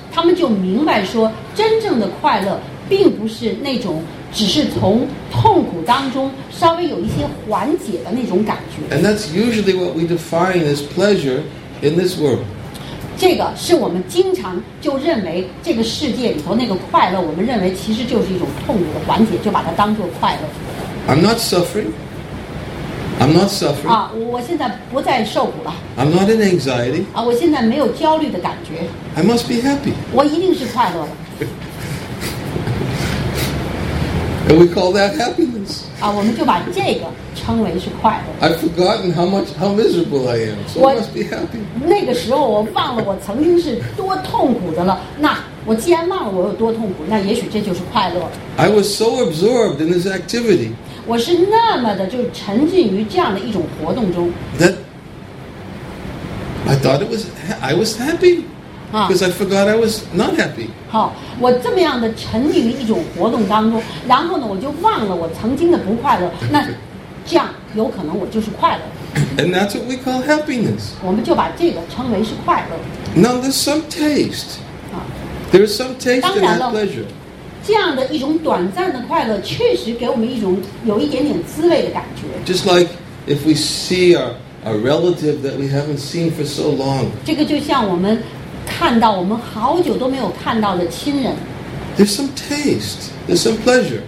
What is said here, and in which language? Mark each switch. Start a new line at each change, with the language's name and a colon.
Chinese: 他们就明白说，真正的快乐并不是那种只是从痛苦当中稍微有一些缓解的那种感觉。
English: And that's usually what we define as pleasure in this world.
Chinese: 这个是我们经常就认为这个世界里头那个快乐，我们认为其实就是一种痛苦的缓解，就把它当作快乐。
English: I'm not suffering. I'm not suffering.
Chinese: 啊，我现在不再受苦了。
English: I'm not in anxiety.
Chinese: 啊，我现在没有焦虑的感觉。
English: I must be happy.
Chinese: 我一定是快乐的。
English: And we call that happiness.
Chinese: 啊，我们就把这个称为是快乐。
English: I've forgotten how miserable I am, so I must be happy.
Chinese: 那个时候我忘了我曾经是多痛苦的了。那我既然忘了我有多痛苦，那也许这就是快乐。
English: I was so absorbed in this activity.
Chinese: 我是那么的就沉浸于这样的一种活动中
English: that I thought I was happy because I forgot I was not happy
Chinese: 好我这么样的沉浸于一种活动当中然后呢我就忘了我曾经的不快乐那这样有可能我就是快乐
English: and that's what we call happiness
Chinese: 我们就把这个称为是快乐
English: now there's some taste there's some taste in that pleasure
Chinese: 这样的一种短暂的快乐确实给我们一种有一点点滋味的感觉
English: just like if we see a relative that we haven't seen for so long
Chinese: 这个就像我们看到我们好久都没有看到的亲人
English: there's some taste there's some pleasure